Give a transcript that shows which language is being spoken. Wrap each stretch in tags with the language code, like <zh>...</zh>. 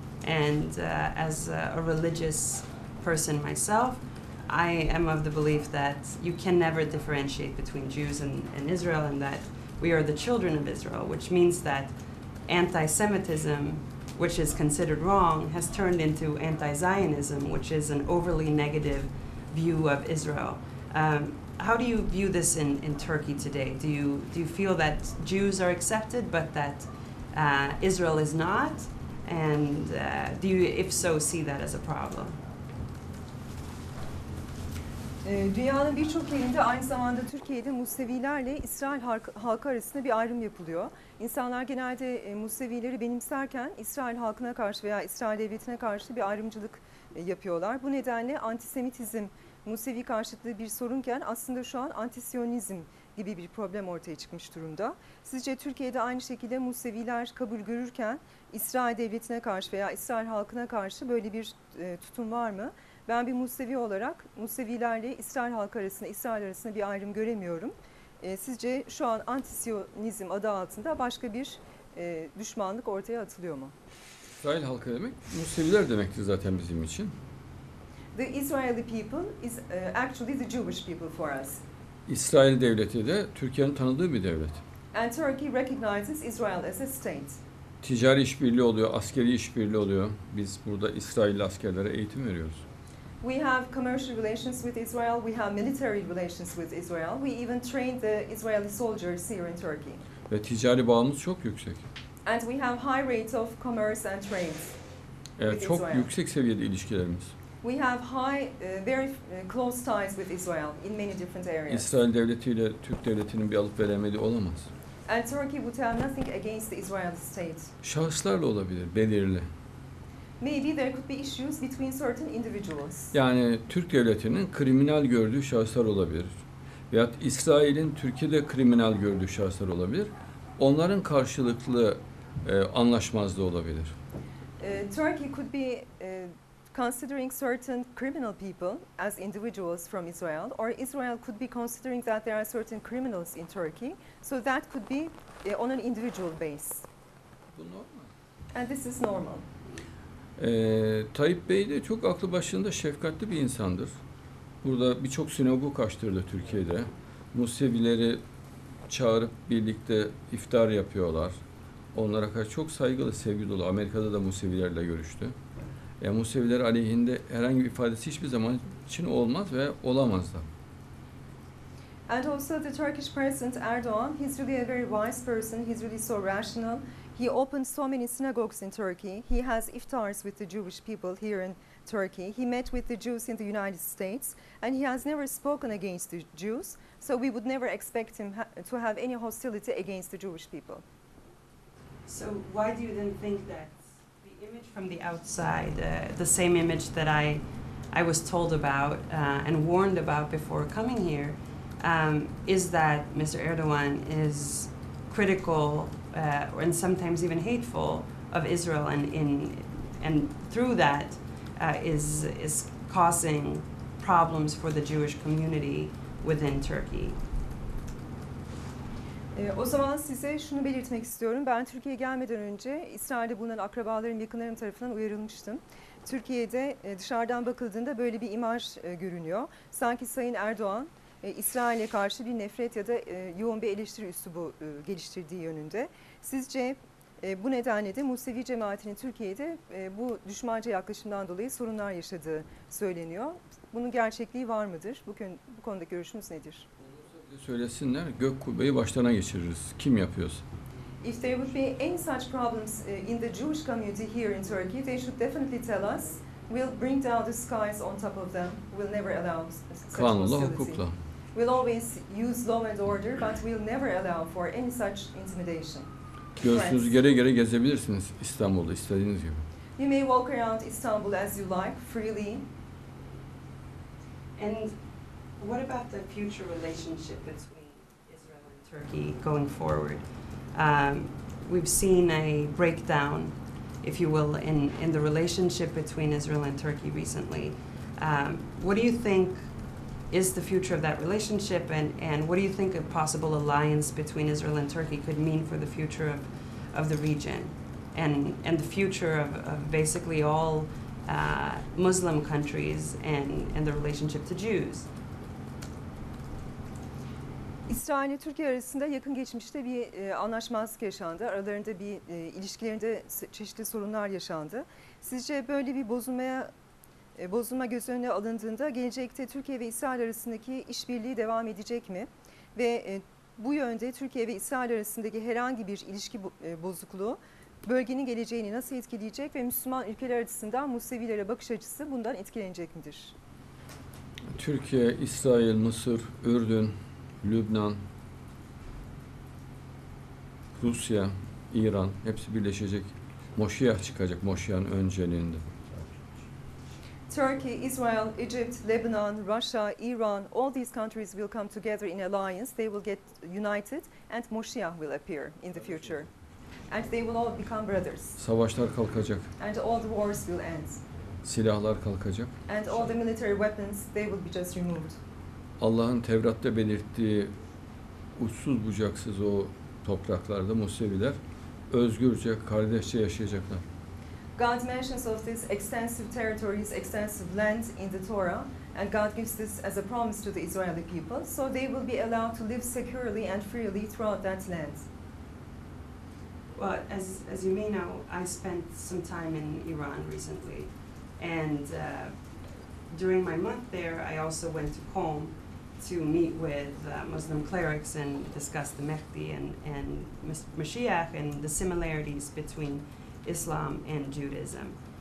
<en>And as a religious person myself, I am of the belief that you can never differentiate between Jews and Israel, and that we are the children of Israel, which means that anti-Semitism, which is considered wrong, has turned into anti-Zionism, which is an overly negative view of Israel. How do you view this in Turkey today? Do you feel that Jews are accepted, but that Israel is not? And do you, if so, see that as a problem?</en> <tr>Dünyanın birçok yerinde aynı zamanda Türkiye'de Musevilerle İsrail halkı arasında bir ayrım yapılıyor. İnsanlar genelde Musevileri benimserken İsrail halkına karşı veya İsrail devletine karşı bir ayrımcılık yapıyorlar. Bu nedenle antisemitizm Musevi karşıtlığı bir sorunken aslında şu an antisiyonizm gibi bir problem ortaya çıkmış durumda. Sizce Türkiye'de aynı şekilde Museviler kabul görürken İsrail devletine karşı veya İsrail halkına karşı böyle bir tutum var mı? Ben bir Musevi olarak Musevilerle İsrail halkı arasında, İsrail arasında bir ayrım göremiyorum. Sizce şu an antisiyonizm adı altında başka bir düşmanlık ortaya atılıyor mu? İsrail halkı demek, Museviler demektir zaten bizim için.</tr> <en>The Israeli people is actually the Jewish people for us.</en> <tr>İsrail devleti de Türkiye'nin tanıdığı bir devlet.</tr> <en>And Turkey recognizes Israel as a state.</en> <tr>Ticari işbirliği oluyor, askeri işbirliği oluyor. Biz burada İsrail askerlere eğitim veriyoruz.</tr> <en>We have commercial relations with Israel, we have military relations with Israel. We even train the Israeli soldiers here in Turkey.</en> <tr>Ve ticari bağımız çok yüksek.</tr> <en>And we have high rates of commerce and trade.</en> <tr>Evet, çok yüksek seviyede ilişkilerimiz.</tr> <en>We have high, very close ties with Israel in many different areas.</en> <tr>İsrail devletiyle Türk devletinin bir alıp veremediği olamaz.</tr> <en>And Turkey would have nothing against the Israeli state.</en> <tr>Şahıslarla olabilir, belirli.</tr> <en>Maybe there could be issues between certain individuals.</en> <tr>Yani Türk devletinin kriminal gördüğü şahıslar olabilir. Veyahut İsrail'in Türkiye'de kriminal gördüğü şahıslar olabilir. Onların karşılıklı anlaşmazlığı olabilir.</tr> <en>Turkey could be considering certain criminal people as individuals from Israel, or Israel could be considering that there are certain criminals in Turkey, so that could be on an individual base.</en> <tr>Bu normal.</tr> <en>And this is normal.</en> <tr>Tayyip Bey de çok aklı başında şefkatli bir insandır. Burada birçok sinagog açtırdı Türkiye'de. Musevileri çağırıp birlikte iftar yapıyorlar. Onlara karşı çok saygılı, sevgi dolu. Amerika'da da Musevilerle görüştü. Museviler aleyhinde herhangi bir ifadesi hiçbir zaman için olmaz ve olamaz da.</tr> <en>And also the Turkish President Erdogan, he's really a very wise person, he's really so rational. He opened so many synagogues in Turkey. He has iftars with the Jewish people here in Turkey. He met with the Jews in the United States and he has never spoken against the Jews. So we would never expect him to have any hostility against the Jewish people. So why do you then think that image from the outside, the same image that I was told about and warned about before coming here, is that Mr. Erdogan is critical and sometimes even hateful of Israel, and through that is causing problems for the Jewish community within Turkey.</en> <tr>O zaman size şunu belirtmek istiyorum. Ben Türkiye'ye gelmeden önce İsrail'de bulunan akrabalarım, yakınlarım tarafından uyarılmıştım. Türkiye'de dışarıdan bakıldığında böyle bir imaj görünüyor. Sanki Sayın Erdoğan İsrail'e karşı bir nefret ya da yoğun bir eleştiri üslubu geliştirdiği yönünde. Sizce bu nedenle de Musevi cemaatinin Türkiye'de bu düşmanca yaklaşımdan dolayı sorunlar yaşadığı söyleniyor. Bunun gerçekliği var mıdır? Bugün bu konudaki görüşünüz nedir? Söylesinler, gök kubbeyi başlarına geçiririz. Kim yapıyorsa.</tr> <en>If there would be any such problems in the Jewish community here in Turkey, they should definitely tell us. We'll bring down the skies on top of them. We'll never allow such hostility.</en> <tr>Kanunla, hukukla.</tr> <en>We'll always use law and order, but we'll never allow for any such intimidation.</en> <tr>Göğsünüzü gere gere gezebilirsiniz İstanbul'da istediğiniz gibi.</tr> <en>You may walk around Istanbul as you like, freely. And what about the future relationship between Israel and Turkey going forward? We've seen a breakdown, if you will, in the relationship between Israel and Turkey recently. What do you think is the future of that relationship, and what do you think a possible alliance between Israel and Turkey could mean for the future of the region and the future of basically all Muslim countries and the relationship to Jews?</en> <tr>İsrail ile Türkiye arasında yakın geçmişte bir anlaşmazlık yaşandı. Aralarında bir ilişkilerinde çeşitli sorunlar yaşandı. Sizce böyle bir bozulma göz önüne alındığında gelecekte Türkiye ve İsrail arasındaki işbirliği devam edecek mi? Ve bu yönde Türkiye ve İsrail arasındaki herhangi bir ilişki bozukluğu bölgenin geleceğini nasıl etkileyecek ve Müslüman ülkeler açısından Musevilere bakış açısı bundan etkilenecek midir? Türkiye, İsrail, Mısır, Ürdün, Lübnan, Rusya, İran hepsi birleşecek. Moşiyah çıkacak, Moşiyah'ın önceliğinde.</tr> <en>Turkey, Israel, Egypt, Lebanon, Russia, Iran, all these countries will come together in alliance. They will get united and Moshiach will appear in the future. And they will all become brothers.</en> <tr>Savaşlar kalkacak.</tr> <en>And all the wars will end.</en> <tr>Silahlar kalkacak.</tr> <en>And all the military weapons, they will be just removed.</en> <tr>Allah'ın Tevrat'ta belirttiği uçsuz bucaksız o topraklarda Museviler özgürce, kardeşçe yaşayacaklar.</tr> <en>God mentions of this extensive territories, extensive land in the Torah, and God gives this as a promise to the Israeli people, so they will be allowed to live securely and freely throughout that land. Well, as you may know, I spent some time in Iran recently, and during my month there, I also went to Qom to meet with Muslim clerics and discuss the Mehdi and Mashiach and the similarities between Islam and Judaism.</en>